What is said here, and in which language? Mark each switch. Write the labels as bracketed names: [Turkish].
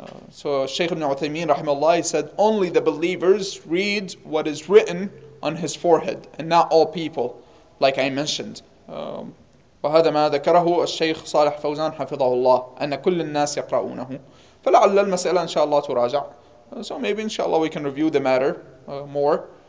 [English] So Shaykh ibn Uthaymeen rahimahullah, he said, only the believers read what is written on his forehead, and not all people, like I mentioned. [Arabic] وهذا ما ذكره الشيخ صالح فوزان حفظه الله, أن كل الناس يقرؤونه. فلعل المسألة إن شاء الله تراجع. [English] So maybe [Arabic] إن شاء الله [English] we can review the matter more.